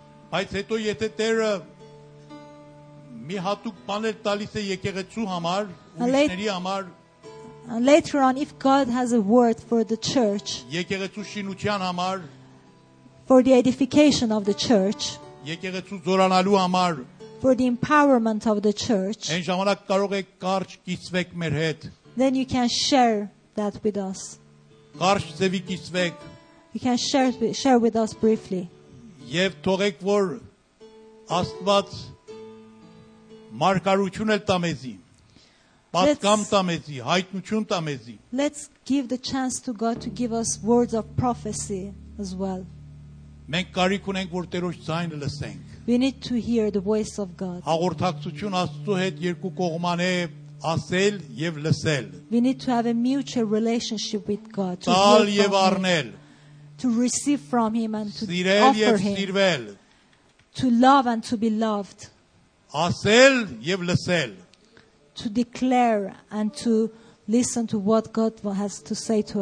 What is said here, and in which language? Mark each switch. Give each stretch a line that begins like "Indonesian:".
Armenian: Բայց հետո եթե Տերը մի հատուկ բաներ տալիս է եկեղեցու համար, ուրիշների համար,
English: later on if God has a word for the church,
Armenian: եկեղեցու շինության համար,
English: for the edification of the church,
Armenian: եկեղեցու զորանալու համար,
English: for the empowerment of the church,
Armenian: այն ժամանակ կարող եք կարճ կիսվեք մեր հետ,
English: then you can share that with us.
Armenian: Կարճ ձևի կիսվեք.
English: You can share with us briefly.
Armenian: Եվ թողեք որ Աստված մարգարություն էլ տա մեզի։ Պատկամ տա մեզի, հայտնություն տա մեզի։
English: Let's give the chance to God to give us words of prophecy as well.
Armenian: Մենք կարիք ունենք որ Տերոջ ձայնը լսենք։
English: We need to hear the voice of God.
Armenian: Հաղորդակցություն Աստծո հետ երկու կողմանե ասել եւ լսել։
English: We need to have a mutual relationship with God.
Armenian: Տալ եւ առնել։
English: To receive from Him and to
Armenian: Սիրել
English: offer Him.
Armenian: Սիրվել.
English: To love and to be loved.
Armenian: Ասել եւ լսել.
English: To declare and to listen to what God has to say to